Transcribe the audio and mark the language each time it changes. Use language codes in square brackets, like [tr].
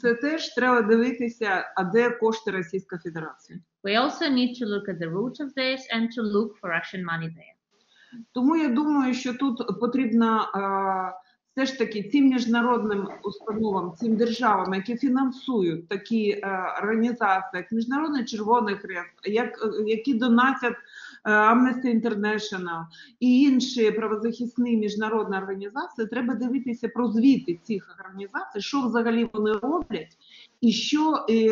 [uk] Це теж треба дивитися, а де кошти Російської Федерації. [en] We also need to look at the root of this and to look for Russian money there. [uk] Тому я думаю, що тут потрібно все ж таки цим міжнародним установам, цим державам, які фінансують такі організації, як Міжнародний Червоний Хрест, які донатять Amnesty International і інші правозахисні міжнародні організації, треба дивитися про звіти цих організацій, що взагалі вони роблять і що